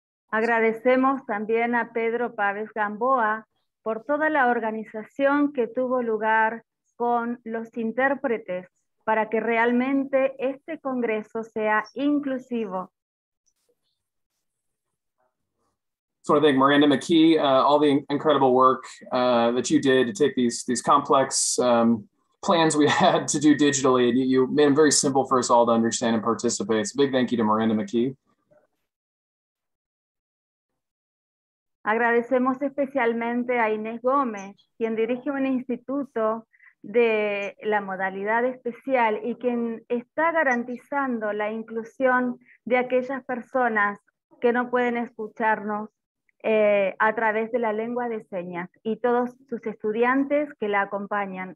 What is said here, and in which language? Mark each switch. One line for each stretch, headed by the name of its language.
Spanish: Agradecemos también a Pedro Pávez Gamboa por toda la organización que tuvo lugar con los intérpretes para que realmente este congreso sea inclusivo.
English: So I want to thank Miranda McKee, all the incredible work that you did to take these complex plans we had to do digitally, and you made them very simple for us all to understand and participate. So big thank you to Miranda McKee.
Spanish: Agradecemos especialmente a Inés Gómez, quien dirige un instituto de la modalidad especial y quien está garantizando la inclusión de aquellas personas que no pueden escucharnos a través de la lengua de señas y todos sus estudiantes que la acompañan.